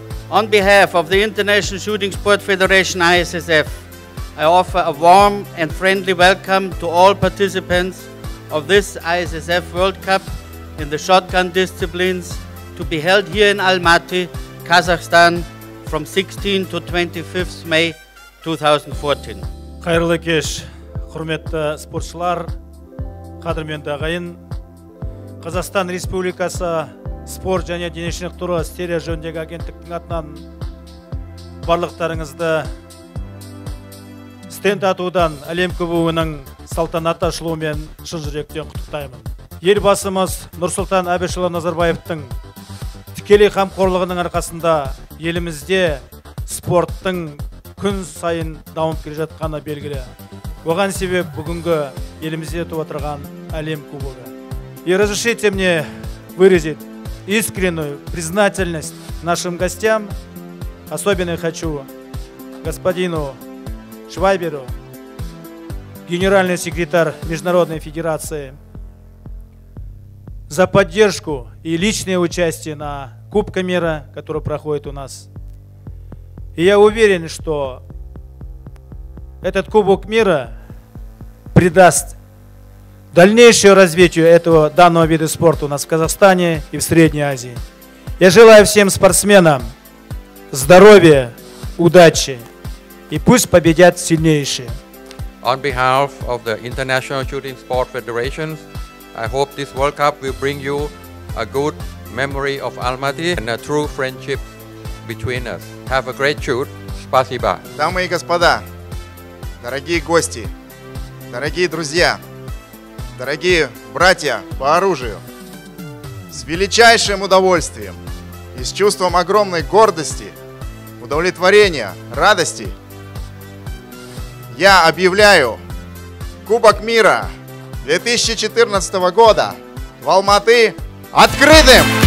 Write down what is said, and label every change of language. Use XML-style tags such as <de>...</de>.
<en>On behalf of the International Shooting Sport Federation, ISSF, I offer a warm and friendly welcome to all participants of this ISSF World Cup in the shotgun disciplines to be held here in Almaty, Kazakhstan, from 16 to 25th May 2014.</en> <kk>Қайырлы кеш, құрметті спортшылар, қадірменді ағайын. Қазақстан Республикасы спорт және дене шынықтыру істері жөніндегі агенттіктің атынан барлықтарыңызды стенд атудан әлем кубогының салтанатты ашылуымен шын жүректен құттықтаймын. Елбасымыз Нұрсұлтан Әбішұлы Назарбаевтың тікелей қамқорлығының арқасында елімізде спорттың күн сайын дамып келе жатқаны белгілі. Оған себеп бүгінгі елімізде өтіп отырған әлем кубогы.</kk> <ru>И разрешите мне выразить искреннюю признательность нашим гостям. Особенно хочу господину Швайберу, генеральный секретарь Международной Федерации, за поддержку и личное участие на Кубке мира, который проходит у нас. И я уверен, что этот Кубок мира придаст дальнейшее развитие этого данного вида спорта у нас в Казахстане и в Средней Азии. Я желаю всем спортсменам здоровья, удачи, и пусть победят сильнейшие.</ru> <en>On behalf of the International Shooting Sport Federation, I hope this World Cup will bring you a good memory of Almaty and a true friendship between us. Have a great shoot.</en> <ru>Спасибо. Дамы и господа, дорогие гости, дорогие друзья, дорогие братья по оружию, с величайшим удовольствием и с чувством огромной гордости, удовлетворения, радости я объявляю Кубок мира 2014 года в Алматы открытым!</ru>